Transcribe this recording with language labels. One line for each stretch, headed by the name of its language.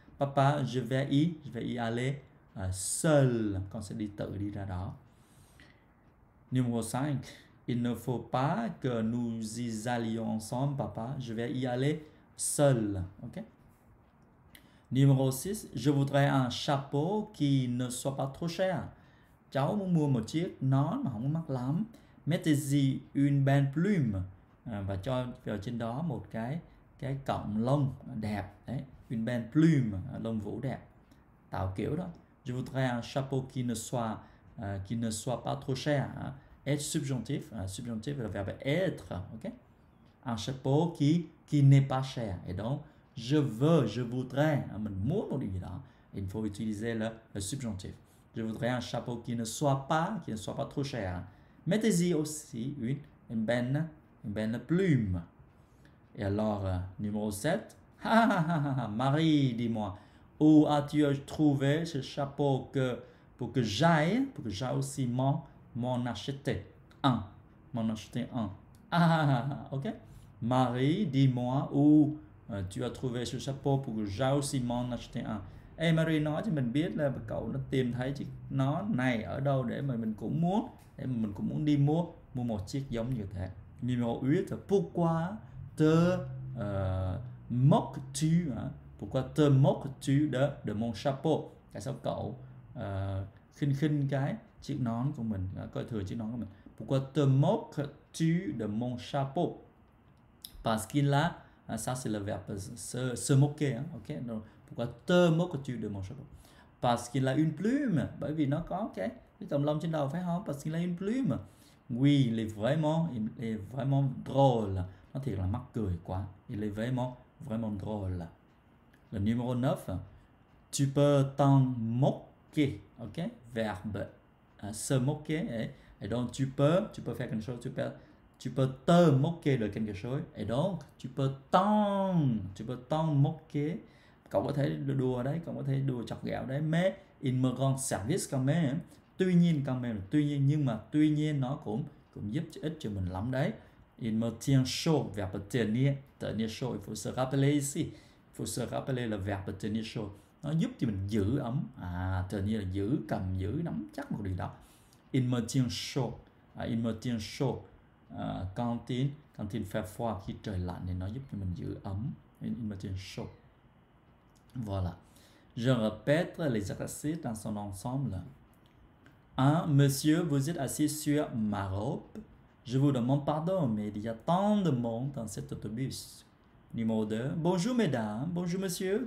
French: Papa, je vais y aller. Seul, quand c'est dit
Vietnamese: tự đi ra đó.
French: Numéro 5, il ne faut pas que nous y allions ensemble, papa. Je vais y aller seul. Okay? Numéro 6, je voudrais un chapeau qui ne soit pas trop cher.
Vietnamese: Cháu muốn mua một chiếc nón mà không mắc lắm.
French: Mettez-y une belle plume.
Vietnamese: Và cho vào trên đó một cái cọng lông đẹp. Đấy.
French: Une belle plume,
Vietnamese: lông vũ đẹp. Tạo kiểu đó.
French: Je voudrais un chapeau qui ne soit pas trop cher. Hein? Être subjonctif. Subjonctif, le verbe être. Okay? Un chapeau qui n'est pas cher. Et donc, je veux, je voudrais. Hein?
Vietnamese: Mình muốn một điều gì đó.
French: Il faut utiliser le subjonctif. Je voudrais un chapeau qui ne soit pas trop cher. Hein? Mettez-y aussi une belle plume. Et alors, numéro 7. Marie, dis-moi. Où as-tu trouvé ce chapeau pour que j'aille aussi m'en acheter un. M'en acheter un. Ah, ok. Marie, dis-moi où tu as trouvé ce chapeau pour que j'aille aussi m'en acheter un.
Vietnamese: Hey, Marie nói cho mình biết là cậu nó tìm thấy chiếc nó này ở đâu để mà mình cũng muốn đi mua mua một chiếc giống như thế.
French: Numéro 8, pourquoi te moques-tu? Pourquoi te moques-tu de mon chapeau?
Vietnamese: Tại sao cậu khinh khinh cái chiếc nón của mình, coi thường chiếc nón của mình?
French: Pourquoi te moques-tu de mon chapeau? Parce qu'il a, ça c'est le verbe se moquer, hein? Okay? Donc, pourquoi te moques-tu de mon chapeau? Parce qu'il a une plume,
Vietnamese: bởi vì nó có cái cọng lông trên đầu phải không?
French: Parce qu'il a une plume. Oui, il est vraiment drôle.
Vietnamese: Nó thiệt là mắc cười quá.
French: Il est vraiment, vraiment drôle. Le numéro 9, tu peux t'en moquer, ok? Verbe se moquer. Et donc, tu peux faire quelque chose, tu peux te moquer de quelque chose. Et donc, tu peux t'en moquer.
Vietnamese: Cậu có thể đùa đấy, cậu có thể đùa chọc ghẹo đấy.
French: Mais, il me rend service quand même.
Vietnamese: Tuy nhiên,
French: quand même,
Vietnamese: tuy nhiên, nhưng mà tuy nhiên nó cũng cũng giúp ích cho mình lắm đấy.
French: Il me tient chaud, verbe tenir chaud, il faut se rappeler ici. Faut se rappeler le verbe tenir chaud.
Vietnamese: Nó giúp cho mình giữ ấm. À, tenir là giữ, cầm giữ, nắm chắc một điều đó.
French: Il me tient chaud. Il me tient chaud. Quand il fait froid,
Vietnamese: khi trời lạnh, thì nó giúp cho mình giữ ấm.
French: Il me tient chaud. Voilà. Je répète les exercices dans son ensemble. 1. Monsieur, vous êtes assis sur ma robe. Je vous demande pardon, mais il y a tant de monde dans cet autobus. Numéro 2. Bonjour, mesdames. Bonjour, monsieur.